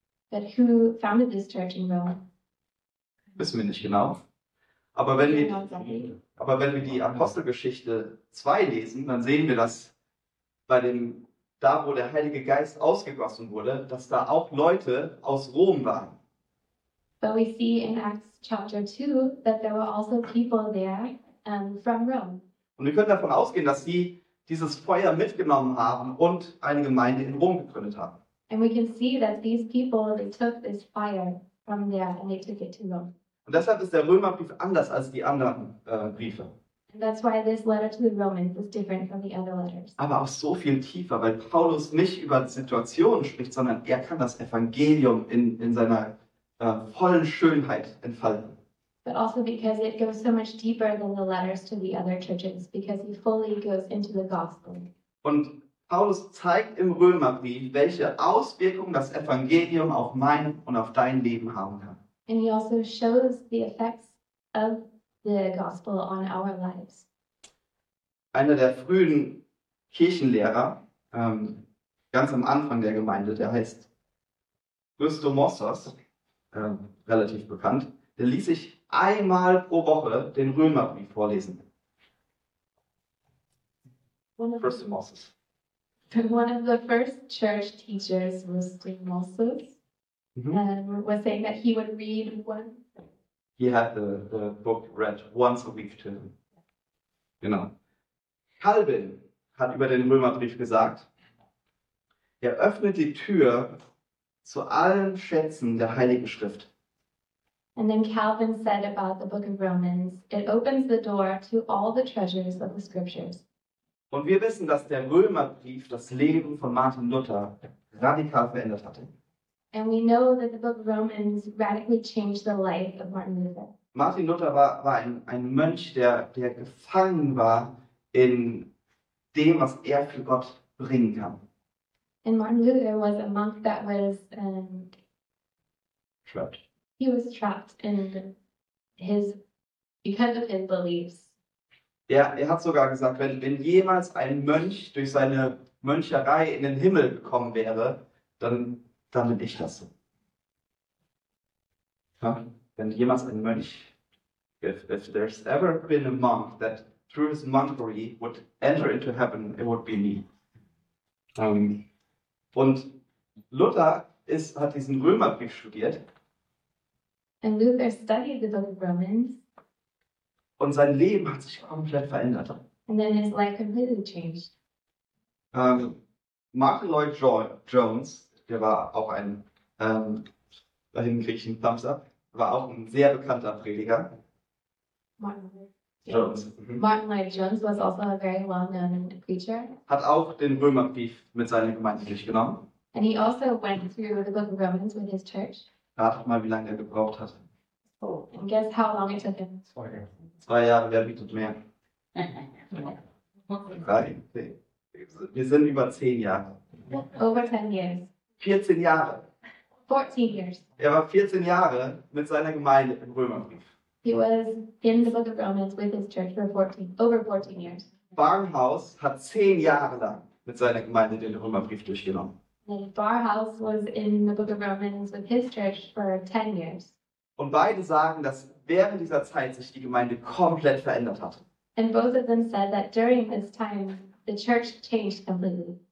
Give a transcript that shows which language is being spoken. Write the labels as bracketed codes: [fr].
[en] But who founded this church in Rome? [de] Wissen wir nicht genau. Aber wenn wir die Apostelgeschichte 2 lesen, dann sehen wir, dass da wo der Heilige Geist ausgegossen wurde, dass da auch Leute aus Rom waren. [en] But we see in Acts chapter 2 that there were also people there from Rome. [de] Und wir können davon ausgehen, dass sie dieses Feuer mitgenommen haben und eine Gemeinde in Rom gegründet haben. [en] And we can see that these people, they took this fire from there and they took it to Rome. [de] Und deshalb ist der Römerbrief anders als die anderen Briefe. [en] That's why this letter to the Romans is different from the other letters. [de] Aber auch so viel tiefer, weil Paulus nicht über Situationen spricht, sondern er kann das Evangelium in seiner vollen Schönheit entfalten. [en] But also because it goes so much deeper than the letters to the other churches, because he fully goes into the gospel. [de] Und Paulus zeigt im Römerbrief, welche Auswirkungen das Evangelium auf mein und auf dein Leben haben kann. [en] And he also shows the effects of the gospel on our lives. [de] Einer der frühen Kirchenlehrer, ganz am Anfang der Gemeinde, der heißt Christomossos, relativ bekannt, der ließ sich einmal pro Woche den Römerbrief vorlesen. Christomossos. [en] One of the first church teachers was Christomossos. Was saying that he would read one. He had the book read once a week to him. [de] Genau. Calvin hat über den Römerbrief gesagt, er öffnet die Tür zu allen Schätzen der Heiligen Schrift. [en] And then Calvin said about the Book of Romans, it opens the door to all the treasures of the scriptures. [de] Und wir wissen, dass der Römerbrief das Leben von Martin Luther radikal verändert hatte. [en] And we know that the Book of Romans radically changed the life of Martin Luther. [de] Martin Luther war ein Mönch, der gefangen war in dem, was er für Gott bringen kann. [en] And Martin Luther was a monk that was trapped. He was trapped in his because of his beliefs. [de] Ja, er hat sogar gesagt, wenn jemals ein Mönch durch seine Möncherei in den Himmel gekommen wäre, dann bin ich das. Ja, wenn jemals ein Mönch, [en] if there's ever been a monk that through his monkery would enter into heaven, it would be me. [de] Und Luther hat diesen Römerbrief studiert. [en] And Luther studied the book of Romans. [de] Und sein Leben hat sich komplett verändert. [en] And then his life completely changed. [de] Martin Lloyd-Jones, der war auch ein, bei den Griechen [en] Thumbs up, [de] war auch ein sehr bekannter Prediger. [en] Martin Lloyd-Jones was also a very well-known preacher. [de] Hat auch den Römerbrief mit seiner Gemeinde durchgenommen. [en] And he also went through the book of Romans with his church. [de] Rat mal, wie lange er gebraucht hat. [en] Oh, and guess how long it took him? [de] 2 Jahre, wer bietet mehr? 3, 10. Wir sind über 10 Jahre. [en] Over 10 years. [de] 14 Jahre. [en] 14 years. [de] Er war 14 Jahre mit seiner Gemeinde im Römerbrief. [en] He was in the book of Romans with his church for 14, over 14 years. [de] Barnhouse hat 10 Jahre lang mit seiner Gemeinde den Römerbrief durchgenommen. [en] And Barnhouse was in the book of Romans with his church for 10 years. [de] Und beide sagen, dass während dieser Zeit sich die Gemeinde komplett verändert hat. [en] And both of them said that during this time the church changed completely.